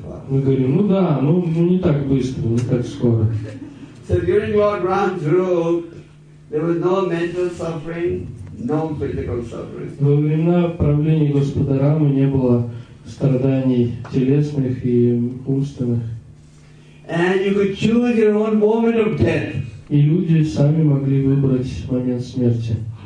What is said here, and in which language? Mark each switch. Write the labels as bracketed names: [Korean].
[Russian] Мы говорим, ну да, ну не так быстро, не так скоро. [English] So during Lord Ram's rule, there was no mental suffering. [Russian] Во времена правления Господа Рамы не было страданий телесных и умственных. [English] And you could choose your own moment of death. [Russian] И люди сами могли выбрать момент смерти.